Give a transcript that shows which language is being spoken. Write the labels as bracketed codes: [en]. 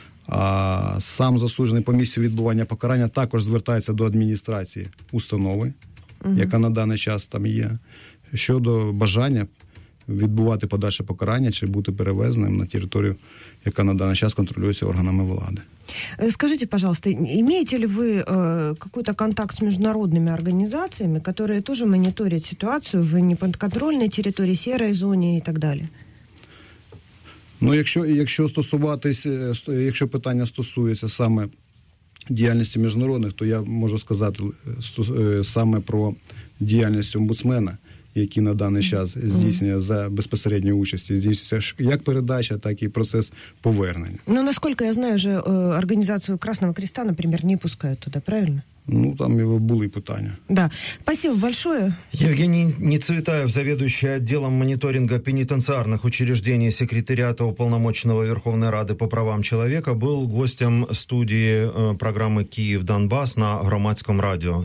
[uk] А сам засуджений по місцю відбування покарання також звертається до адміністрації установи, яка на даний час там є, щодо бажання відбувати подальше покарання чи бути перевезеним на територію, яка на даний час контролюється органами влади. [ru] Скажите, пожалуйста, имеете ли вы какой-то контакт с международными организациями, которые тоже мониторят ситуацию в неподконтрольной территории, серой зоне и так далее? [uk] Ну, якщо стосуватись, якщо питання стосується саме діяльності міжнародних, то я можу сказати саме про діяльність омбудсмена, які на даний час здійснює за безпосередньою участі, здійснюється як передача, так і процес повернення. Ну, наскільки я знаю, вже організацію Красного Креста, наприклад, не пускають туди, правильно? Ну, там і були питання. [ru] Да. Спасибо большое. Евгений Нецветаев, заведующий отделом мониторинга пенитенциарных учреждений секретариата Уполномоченного Верховной Рады по правам человека, был гостем студии программы «Киев-Донбасс» на Громадском радио.